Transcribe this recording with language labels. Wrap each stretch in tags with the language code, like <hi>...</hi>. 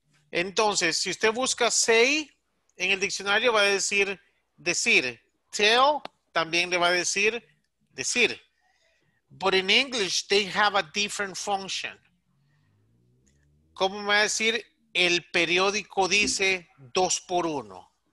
<es>Entonces, si usted busca say en el diccionario, va a decir decir. Tell también le va a decir decir.</es> <en>But in English, they have a different function.</en> <es>¿Cómo me va a decir el periódico dice 2x1?</es>